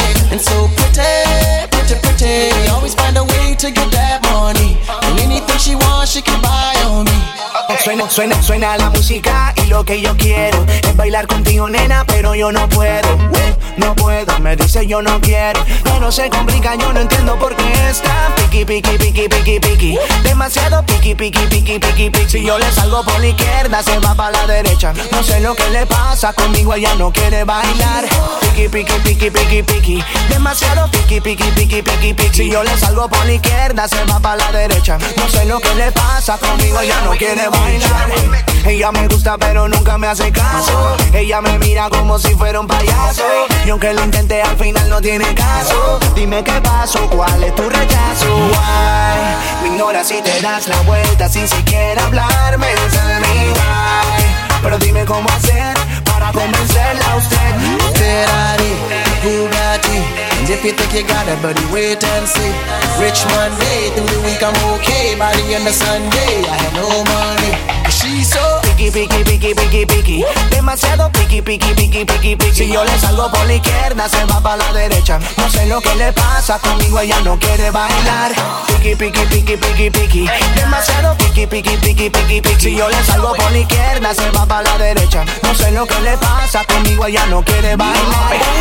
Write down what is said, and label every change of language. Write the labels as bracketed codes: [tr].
[en] And so pretty, pretty, pretty. Always find a way to get that money. And anything she wants, she can buy on me. [es] Suena, suena, suena la música y lo que yo quiero es bailar contigo, nena, pero yo no puedo. No puedo, me dice yo no quiero. Pero se complica, yo no entiendo por qué está piqui, piqui, piqui, piqui, piqui. Demasiado piqui, piqui, piqui, piqui, piqui. Si yo le salgo por la izquierda, se va para la derecha. No sé lo que le pasa conmigo, ella no quiere bailar. Piqui, piqui, piqui, piqui, piqui. Demasiado piqui, piqui, piqui, piqui, piqui. Si yo le salgo por la izquierda, se va para la derecha. No sé lo que le pasa conmigo, ella no quiere bailar. Ella me gusta pero nunca me hace caso. Ella me mira como si fuera un payaso. Y aunque lo intenté al final no tiene caso. Dime qué pasó, cuál es tu rechazo. Why, me ignora si te das la vuelta sin siquiera hablarme. [en] Tell me why, [es] pero dime cómo hacer para convencerla a usted. [en] Ferrari, Bugatti. And if you think you got it, buddy, wait and see. Rich Monday, through the week I'm okay. By the end of Sunday, I have no money. She's so [es] piki piki piki piki piki. Demasiado piki piki piki piki piki. Si yo le salgo por la izquierda, se va para la derecha. No sé lo que le pasa conmigo, ella no quiere bailar. Piki piki piki piki piki. Demasiado piki piki piki piki piki. Si yo le salgo por la izquierda, se va para la derecha. No sé lo que le pasa conmigo, ella no quiere bailar.